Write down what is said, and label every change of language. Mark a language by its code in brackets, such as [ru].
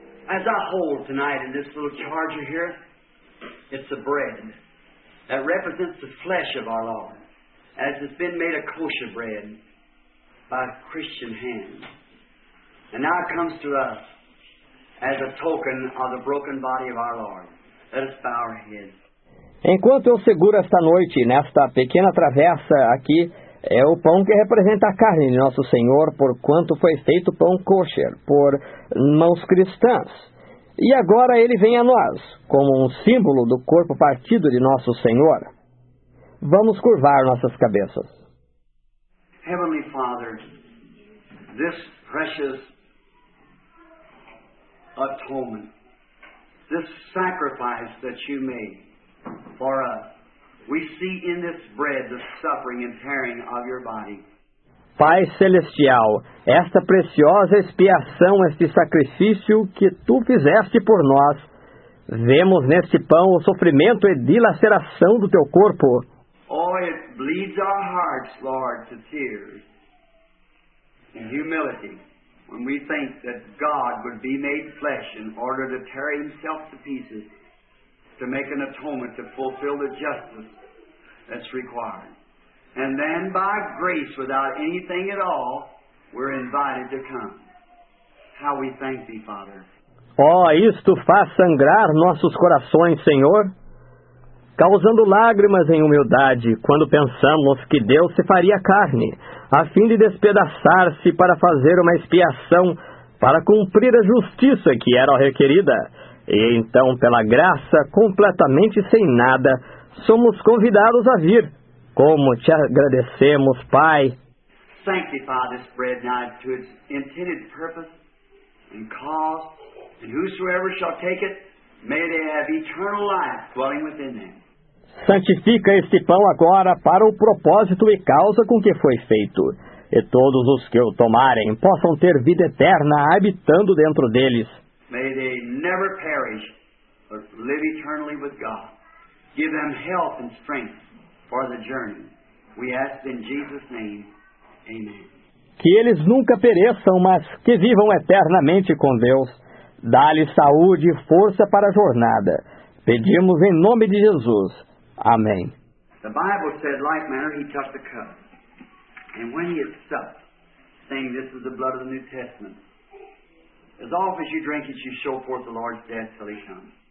[en] As I hold tonight in this little charger here, it's the bread that represents the flesh of our Lord, as it's been made a kosher bread by Christian hands. And now it comes to us as a token of the broken body of our Lord. Let us bow our heads. [pt] Enquanto eu seguro esta noite, nesta pequena travessa aqui, é o pão que representa a carne de nosso Senhor, por quanto foi feito pão kosher, por mãos cristãs. E agora ele vem a nós, como um símbolo do corpo partido de nosso Senhor. Vamos curvar nossas cabeças. [en] Heavenly Father, this precious atonement, this sacrifice that you made for us, we see in this bread the suffering and tearing of your body. [pt] Pai Celestial, esta preciosa expiação, este sacrifício que Tu fizeste por nós, vemos neste pão o sofrimento e dilaceração do Teu corpo. [en] Oh, it bleeds our hearts, Lord, to tears and humility when we think that God would be made flesh in order to tear Himself to pieces to make an atonement to fulfill the justice that's required. And then by grace, without anything at all, we're invited to come. How we thank Thee, Father. [pt] Oh, isto faz sangrar nossos corações, Senhor, causando lágrimas em humildade quando pensamos que Deus se faria carne, a fim de despedaçar-se para fazer uma expiação, para cumprir a justiça que era requerida. E então, pela graça, completamente sem nada, somos convidados a vir. Como te agradecemos, Pai. [en] Sanctify this bread now to its intended purpose and cause, and whosoever shall take it, may they have eternal life dwelling within them. [pt] Santifica este pão agora para o propósito e causa com que foi feito, e todos os que o tomarem possam ter vida eterna habitando dentro deles. [en] May they never perish, but live eternally with God. Give them health and strength for the journey. We ask in Jesus' name. Amen. [pt] Que eles nunca pereçam, mas que vivam eternamente com Deus. Dá-lhes saúde e força para a jornada. Pedimos em nome de Jesus. Amém. [en] The Bible said, like manner, he took the cup. And when he had supped, saying, this is the blood of the New Testament. As often as you drink it, you show forth the Lord's death till he comes.